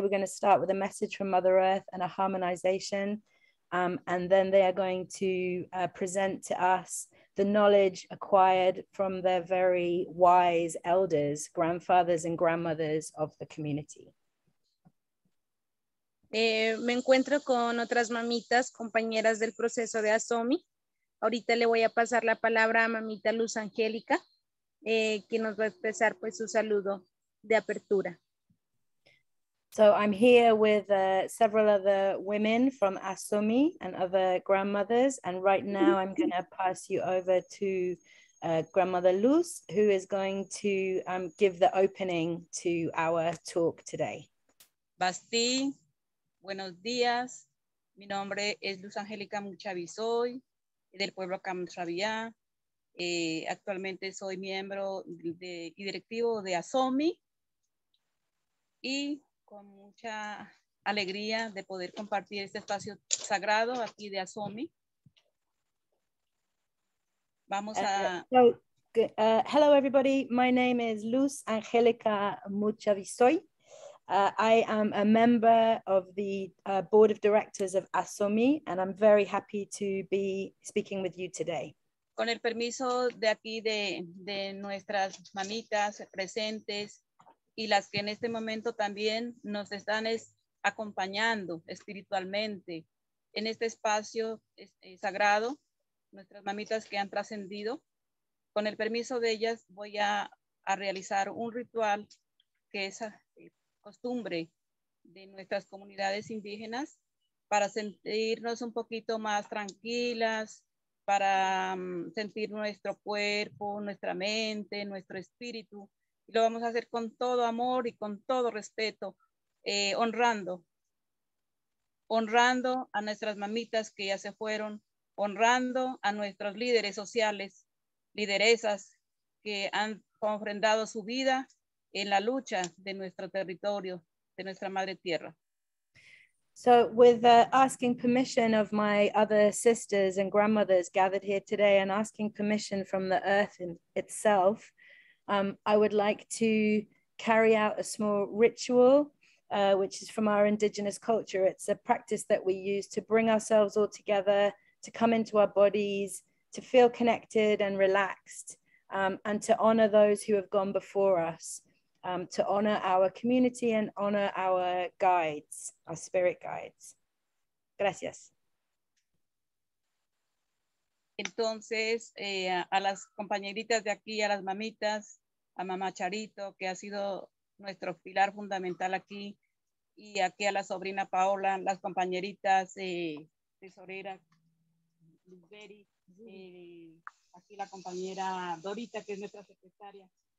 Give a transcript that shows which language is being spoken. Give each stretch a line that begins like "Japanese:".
English: We're going to start with a message from Mother Earth and a harmonization. And then they are going to present to us the knowledge acquired from their very wise elders, grandfathers and grandmothers of the community.
Spanish: Me encuentro con otras mamitas, compañeras del proceso de ASOMI. Ahorita le voy a pasar la palabra a mamita Luz Angelica, que nos va a expresar pues su saludo de apertura.
English: So I'm here with several other women from ASOMI and other grandmothers. And right now I'm going to pass you over to Grandmother Luz, who is going to give the opening to our talk today. Basti.
Spanish: Buenos días, mi nombre es Luz Angélica Muchavisoy, del pueblo Camusrabiá. Actualmente soy miembro y directivo de ASOMI. Y con mucha alegría de poder compartir este espacio sagrado aquí de ASOMI. Vamos a...
English: Hello, everybody. My name is Luz Angelica Muchavisoy. I am a member of the board of directors of ASOMI, and I'm very happy to be speaking with you today.
Spanish: Con el permiso de aquí de nuestras mamitas presentes y las que en este momento también nos están acompañando espiritualmente en este espacio sagrado, nuestras mamitas que han trascendido. Con el permiso de ellas, voy a realizar un ritual que es costumbre de nuestras comunidades indígenas para sentirnos un poquito más tranquilas, para sentir nuestro cuerpo, nuestra mente, nuestro espíritu. Y lo vamos a hacer con todo amor y con todo respeto, honrando a nuestras mamitas que ya se fueron, honrando a nuestros líderes sociales, lideresas que han ofrendado su vida en la lucha de nuestro territorio, de nuestra madre tierra.
English: So with asking permission of my other sisters and grandmothers gathered here today and asking permission from the earth in itself, I would like to carry out a small ritual, which is from our indigenous culture. It's a practice that we use to bring ourselves all together, to come into our bodies, to feel connected and relaxed, and to honor those who have gone before us, to honor our community and honor our guides, our spirit guides.
Spanish: Gracias. Entonces, a las compañeritas de aquí, a las mamitas, a mamá Charito, que ha sido nuestro pilar fundamental aquí, y aquí a la sobrina Paola, las compañeritas, tesorera, Luzberi, aquí la compañera Dorita, que es nuestra secretaria.